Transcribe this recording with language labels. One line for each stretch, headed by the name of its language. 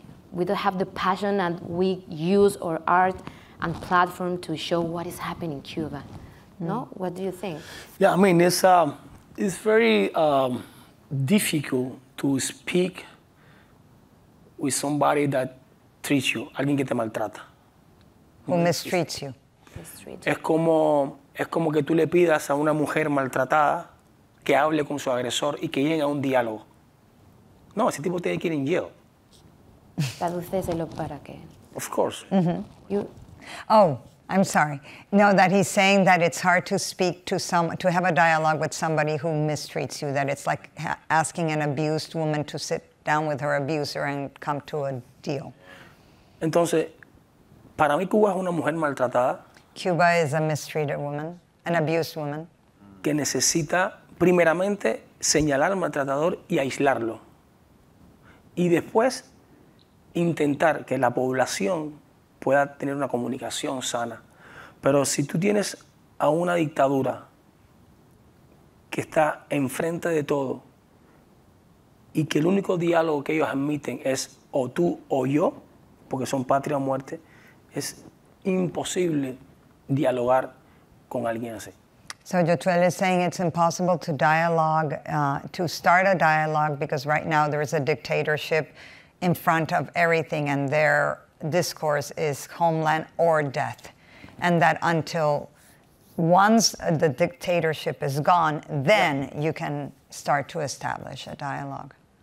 English: We don't have the passion and we use our art and platform to show what is happening in Cuba. No? What do you think? Yeah, I mean, it's very difficult to speak with somebody that treats you,
Spanish: alguien que te maltrata.
English: Who mistreats you.
Spanish: Es como que tú le pidas a una mujer maltratada que hable con su agresor y que llegue a un diálogo. No, ese tipo te quiere en jail. Tradúceselo para que...
English: Of course. Mm-hmm. You... Oh, I'm sorry. No, that he's saying that it's hard to speak to some, to have a dialogue with somebody who mistreats you, that it's like asking an abused woman to sit down with her abuser and come to a deal.
Spanish: Entonces, para mí Cuba es una mujer maltratada.
English: Cuba is a mistreated woman, an abused woman.
Spanish: Que necesita, primeramente, señalar al maltratador y aislarlo. Y después, intentar que la población pueda tener una comunicación sana. Pero si tú tienes a una dictadura que está enfrente de todo y que el único diálogo que ellos admiten es o tú o yo, porque son patria o muerte, es imposible dialogar con alguien así.
English: So Yotuel is saying it's impossible to dialogue, to start a dialogue because right now there is a dictatorship in front of everything and they're discourse is homeland or death, and that until once the dictatorship is gone, then you can start to establish a dialogue.